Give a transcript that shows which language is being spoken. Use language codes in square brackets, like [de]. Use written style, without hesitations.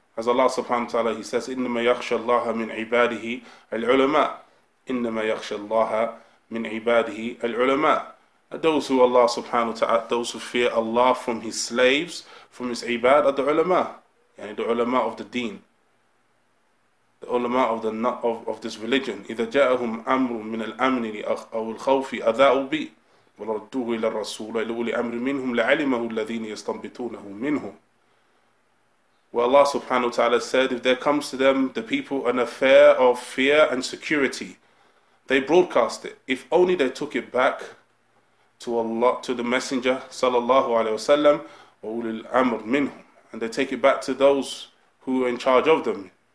[en] As Allah subhanahu wa ta'ala, he says, [ar] إِنَّمَا يَخْشَ اللَّهَ مِنْ عِبَادِهِ الْعُلَمَاءِ. إِنَّمَا يَخْشَ اللَّهَ مِنْ عِبَادِهِ الْعُلَمَاءِ. [en] Those who Allah subhanahu wa ta'ala, those who fear Allah from his slaves, from his ibad, are the ulama, yani the ulama of the deen. The ulama of the of this religion. [ar] إذا جاءهم أمر من الأمن أو الخوف أذاؤوا به ولردوه إلى الرسول لأولي أمر منهم لعلمه الذين يستنبطونه منهم. [en] Where Allah subhanahu wa ta'ala said, if there comes to them, the people, an affair of fear and security, they broadcast it. If only they took it back to Allah, to the Messenger sallallahu alayhi wa sallam, [ar] وأولي الأمر منهم, [en] and they take it back to those who are in charge of them.